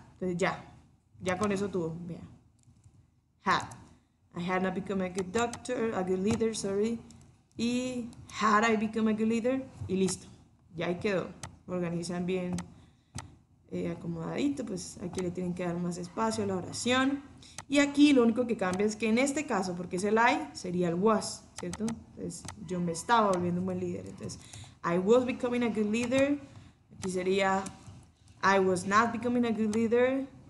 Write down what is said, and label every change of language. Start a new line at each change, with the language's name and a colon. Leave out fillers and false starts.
Spanish: Entonces ya, ya con eso tuvo. Vea. Had.
English: I had not become a good doctor, a good leader, sorry. Y had I become a good leader.
Spanish: Y listo. Ya ahí quedó. Organizan bien acomodadito. Pues aquí le tienen que dar más espacio a la oración. Y aquí lo único que cambia es que en este caso, porque es el I, sería el was, ¿cierto? Entonces yo me estaba volviendo un buen líder. Entonces,
English: I was becoming a good leader. Aquí sería, I was not becoming a good leader.